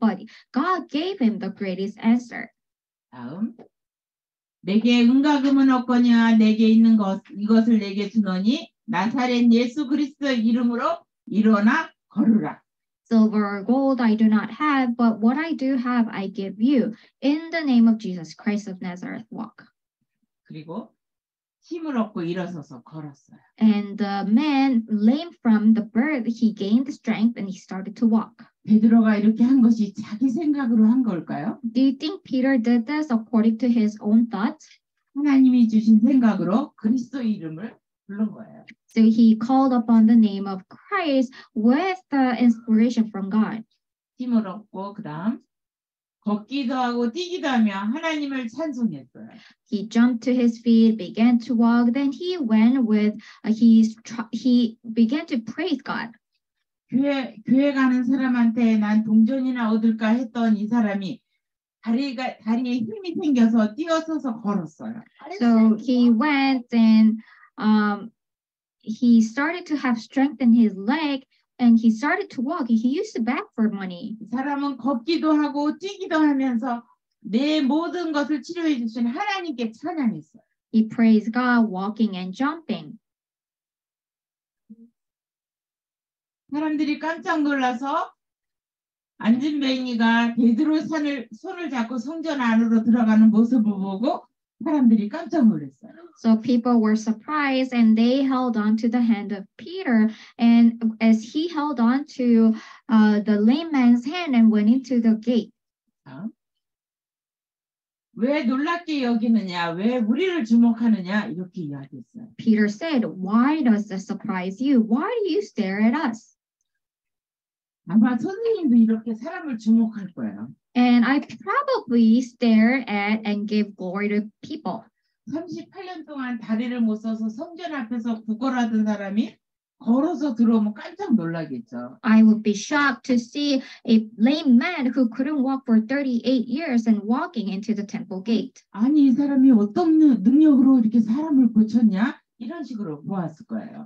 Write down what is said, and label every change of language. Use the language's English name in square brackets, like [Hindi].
[English] But God gave him the greatest answer. [Korean] 다음, 내게 은과금은 없거냐, 내게 있는 것, 이것을 내게 주노니, 나사렛 예수 그리스도의 이름으로 일어나 걸으라. [English] Silver or gold I do not have, but what I do have I give you. In the name of Jesus Christ of Nazareth, walk. [Korean] 그리고 힘을 얻고 일어서서 걸었어요. [English] And the man, lame from the birth, he gained strength and he started to walk. [Korean] 베드로가 이렇게 한 것이 자기 생각으로 한 걸까요? [English] Do you think Peter did this according to his own thoughts? [Korean] 하나님이 주신 생각으로 그리스도 이름을 부른 거예요. [English] So he called upon the name of Christ with the inspiration from God. [Korean] 힘을 얻고 그다음 걷기도 하고 뛰기도 하며 하나님을 찬송했어요. [English] He jumped to his feet, began to walk, then he went with he began to praise God. [Korean] 교회 가는 사람한테 난 동전이나 얻을까 했던 이 사람이 다리에 힘이 생겨서 뛰어서서 걸었어요. [English] So he went and he started to have strength in his leg and he started to walk. He used to beg for money. [Korean] 사람은 걷기도 하고 뛰기도 하면서 내 모든 것을 치료해 주신 하나님께 찬양했어요. [English] He praised God walking and jumping. [Korean] 사람들이 깜짝 놀라서 앉은 뱅이가 베드로 손을 잡고 성전 안으로 들어가는 모습을 보고 사람들이 깜짝 놀랐어요. [English] So people were surprised and they held on to the hand of Peter and as he held on to the lame man's hand and went into the gate. [Korean] 왜 놀랍게 여기느냐? 왜 우리를 주목하느냐? 이렇게 이야기했어요. [English] Peter said, "Why does this surprise you? Why do you stare at us?" [Korean] 아마 선생님도 이렇게 사람을 주목할 거예요. [English] And I probably stare at and give glory to people. [Korean] 38년 동안 다리를 못 써서 성전 앞에서 구걸하던 사람이 걸어서 들어오면 깜짝 놀라겠죠. [English] I would be shocked to see a lame man who couldn't walk for 38 years and walking into the temple gate. [Korean] 아니, 이 사람이 어떤 능력으로 이렇게 사람을 고쳤냐? 이런 식으로 보았을 거예요.